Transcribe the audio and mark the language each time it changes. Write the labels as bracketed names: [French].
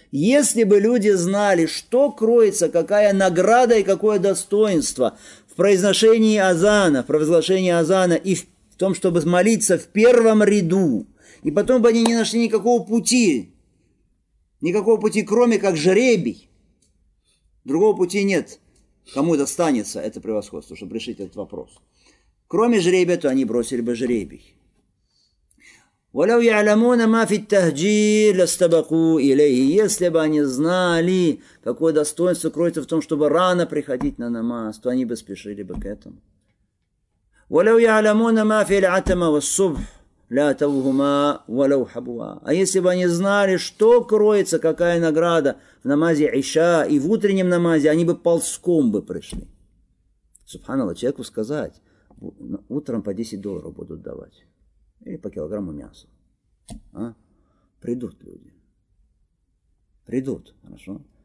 [Russian] Если бы люди знали, что кроется, какая награда и какое достоинство в произношении азана, в провозглашении азана и в том, чтобы молиться в первом ряду, и потом бы они не нашли никакого пути, кроме как жребий. Другого пути нет, кому достанется это превосходство, чтобы решить этот вопрос. Кроме жребия, то они бросили бы жребий. [Arabic] ولو يعلمون ما في التهجير لاستبقوا إليه. [Russian] Если бы они знали, какое достоинство кроется в том, чтобы рано приходить на намаз, то они бы спешили бы к этому. [Arabic] ولو يعلمون ما في العتمة والصبح لأتوهما ولو حبوا. [Russian] А если бы они знали, что кроется, какая награда в намазе Иша и в утреннем намазе, они бы ползком бы пришли. Субханаллах, человеку сказать, утром по 10 долларов будут давать. Или по килограмму мяса. А? Придут люди. Придут, хорошо?